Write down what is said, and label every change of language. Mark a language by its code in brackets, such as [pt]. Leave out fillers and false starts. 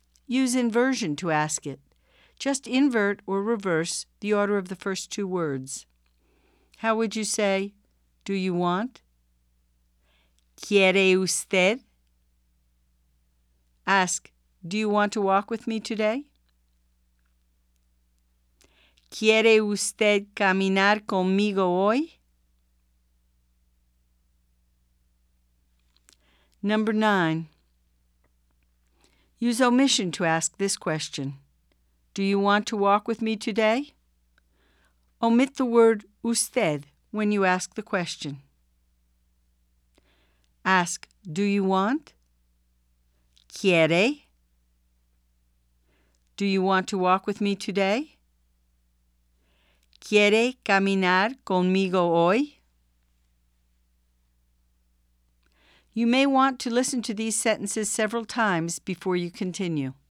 [en] Use inversion to ask it. Just invert or reverse the order of the first two words. How would you say, do you want? [es] ¿Quiere usted? [en] Ask, do you want to walk with me today? [es] ¿Quiere usted caminar conmigo hoy? [en] Number 9. Use omission to ask this question. Do you want to walk with me today? Omit the word usted when you ask the question. Ask, do you want? [es] ¿Quiere? [en] Do you want to walk with me today? [es] ¿Quiere caminar conmigo hoy? [en] You may want to listen to these sentences several times before you continue.